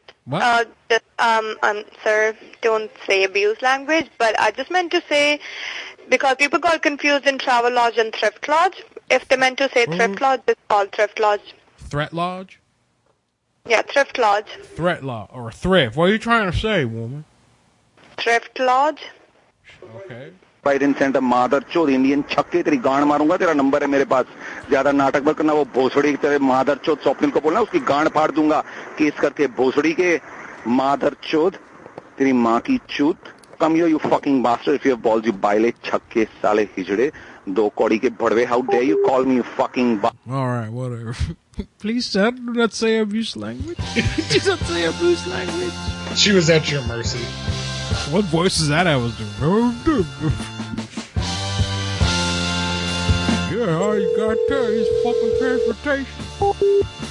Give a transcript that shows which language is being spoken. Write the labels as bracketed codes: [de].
[en] sir, don't say abuse language, but I just meant to say, because people got confused in Travel Lodge and Thrift Lodge. If they meant to say Thrift Lodge, it's called Thrift Lodge. Threat Lodge? Yeah, Thrift Lodge. Threat Lodge, or Thrift. What are you trying to say, woman? Thrift Lodge. Okay. Biden sent a mother [hi] चोद Indian छक्के तेरी गांड मारूंगा तेरा number है मेरे पास ज़्यादा नाटक मत करना वो भोसड़ी तेरे mother चोद स्वप्निल को बोलना उसकी गांड फाड़ दूंगा केस करके भोसड़ी के mother चोद तेरी माँ की चूत [en] come here you fucking bastard if you have balls you [hi] ballet छक्के साले हिजड़े दो कौड़ी के भड़वे [en] how dare you call me fucking alright whatever please sir do not say abuse language do not say abuse language she was at your mercy. What voice is that I was doing? Yeah, all you got there is fucking transportation.